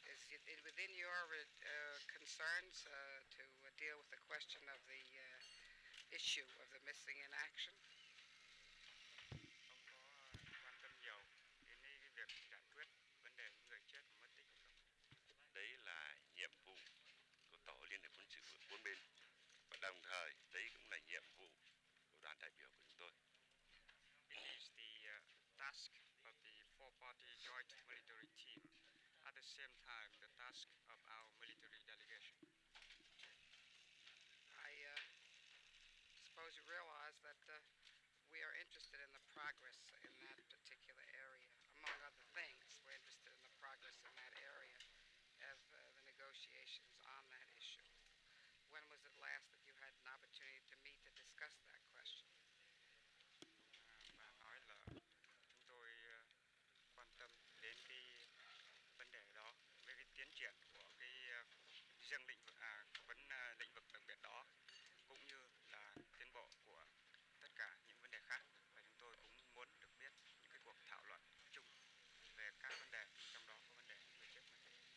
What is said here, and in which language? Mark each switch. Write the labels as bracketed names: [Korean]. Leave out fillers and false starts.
[English] Is it within your concerns to deal with the question of the issue of the missing in action? [Vietnamese] Ông có quan tâm nhiều đến cái việc giải quyết vấn đề người chết và mất tích không? Đấy là nhiệm vụ của tổ liên hiệp quân sự của bốn bên, và đồng thời đấy cũng là nhiệm vụ của đoàn đại biểu của chúng tôi. [English] It is the task of the four-party joint military team, at the same time the task of our military delegation. I suppose you realize that we are interested in the progress in that particular area. Among other things, we're interested in the progress in that area of the negotiations on that issue. When was it last that you had an opportunity to meet to discuss that question? [Vietnamese] Và nói là chúng tôi quan tâm đến cái vấn đề đó, với cái tiến triển của cái riêng lĩnh vực lĩnh vực đặc biệt đó, cũng như là tiến bộ của tất cả những vấn đề khác, và chúng tôi cũng muốn được biết những cái cuộc thảo luận chung về các vấn đề, trong đó có vấn đề về chết mất tích.